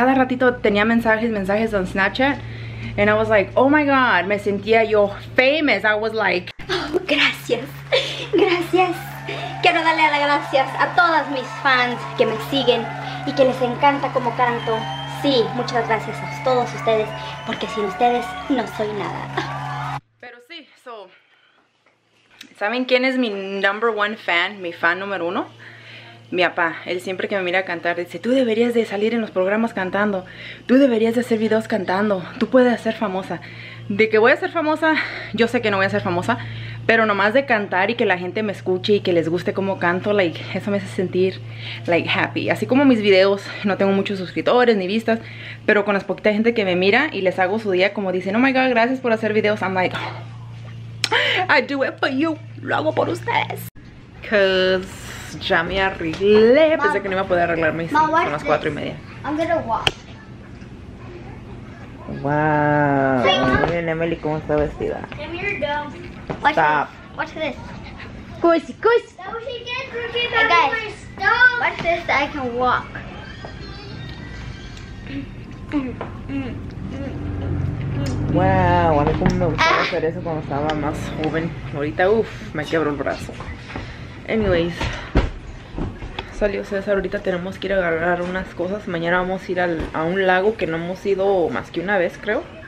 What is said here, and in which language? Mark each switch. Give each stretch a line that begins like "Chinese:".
Spanish: Cada ratito tenía mensajes en Snapchat.
English: And I was like, oh my god,
Spanish: me sentía yo
English: famous. I was like,
Spanish: oh, gracias, gracias. Quiero darle las gracias a todas mis fans que me siguen y que les encanta como canto. Sí, muchas gracias a todos ustedes, porque sin ustedes no soy nada. Pero sí, so, ¿saben quién es mi
English: number one fan,
Spanish: mi fan número uno? Mi papá, él siempre que me mira a cantar dice, tú deberías de salir en los programas cantando, tú deberías de hacer videos cantando, tú puedes ser famosa. De que voy a ser famosa, yo sé que no voy a ser famosa, pero nomás de cantar y que la gente me escuche y que les guste cómo canto, like, eso me hace sentir like happy. Así como mis videos, no tengo muchos suscriptores ni vistas, pero con las poquita gente que me mira y les hago su día, como dicen,
English: oh my god,
Spanish: gracias por hacer videos,
English: I'm like, oh, I do it for you,
Spanish: lo hago por ustedes. Cause ya me arreglé. Mom, pensé que no iba a poder arreglarme. Mom, son las 4:30.
English: I'm gonna wash.
Spanish: Wow. Hey, miren Emily cómo está vestida.
English: Come here, dog. Stop. Watch this. Cozy, cozy. Hey guys, watch this, I can walk.
Spanish: Wow, a mí como me gustaba hacer eso cuando estaba más joven. Ahorita, uff, me quebró el brazo. Anyways, salió César, ahorita tenemos que ir a agarrar unas cosas. Mañana vamos a ir a un lago que no hemos ido más que una vez, creo.